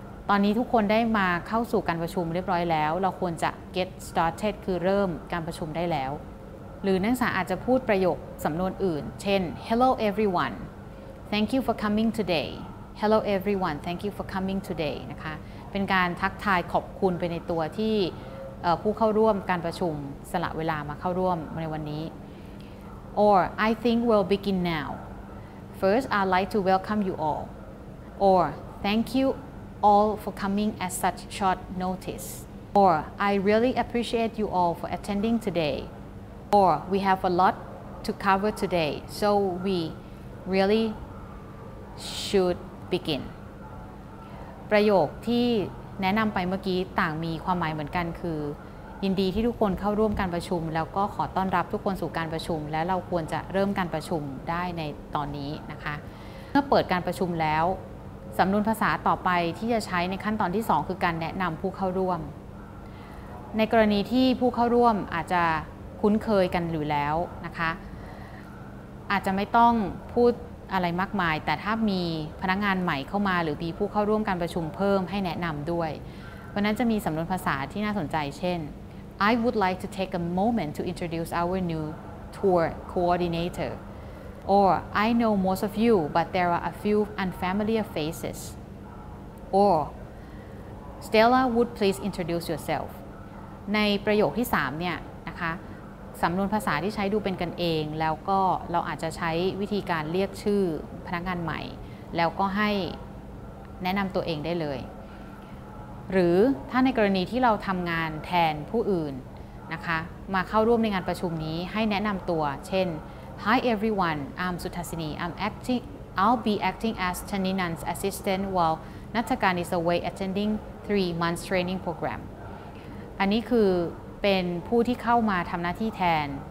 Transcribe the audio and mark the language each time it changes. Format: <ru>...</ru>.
<th>ตอนนี้ทุกคนได้มาเข้าสู่การประชุมเรียบร้อยแล้วเราควรจะ</th> <en>get started</en> <th>คือเริ่มการประชุมได้แล้วหรือนักศึกษาอาจจะพูดประโยคสำนวนอื่นเช่น</th> <en>Hello everyone thank you for coming today</en> <th>Hello everyone thank you for coming today นะคะเป็นการทักทายขอบคุณไปในตัวที่ผู้เข้าร่วมการประชุมสละเวลามาเข้าร่วมในวันนี้</th> <en>Or, I think we'll begin now. First, I'd like to welcome you all. Or, thank you all for coming at such short notice. Or, I really appreciate you all for attending today. Or, we have a lot to cover today, so we really should begin.</en> <th>ประโยคที่แนะนำไปเมื่อกี้ต่างมีความหมายเหมือนกันคือยินดีที่ทุกคนเข้าร่วมการประชุมแล้วก็ขอต้อนรับทุกคนสู่การประชุมและเราควรจะเริ่มการประชุมได้ในตอนนี้นะคะเมื่อเปิดการประชุมแล้วสำนวนภาษาต่อไปที่จะใช้ในขั้นตอนที่2คือการแนะนำผู้เข้าร่วมในกรณีที่ผู้เข้าร่วมอาจจะคุ้นเคยกันอยู่แล้วนะคะ อาจจะไม่ต้องพูดอะไรมากมายแต่ถ้ามีพนักงานใหม่เข้ามาหรือมีผู้เข้าร่วมการประชุมเพิ่มให้แนะนำด้วยเพราะนั้นจะมีสำนวนภาษาที่น่าสนใจเช่น</th> <en>I would like to take a moment to introduce our new tour coordinator. Or, I know most of you, but there are a few unfamiliar faces. Or, Stella would please introduce yourself.</en> <th>ในประโยคที่3เนี่ยนะคะสำนวนภาษาที่ใช้ดูเป็นกันเองแล้วก็เราอาจจะใช้วิธีการเรียกชื่อพนักงานใหม่แล้วก็ให้แนะนำตัวเองได้เลย หรือถ้าในกรณีที่เราทำงานแทนผู้อื่นนะคะมาเข้าร่วมในงานประชุมนี้ให้แนะนำตัวเช่น</th> <en>Hi everyone I'm Suthasini I'll be acting as Chaninan's assistant while Natakan is away attending 3 months training program</en> <th>อันนี้คือเป็นผู้ที่เข้ามาทำหน้าที่แทน</th>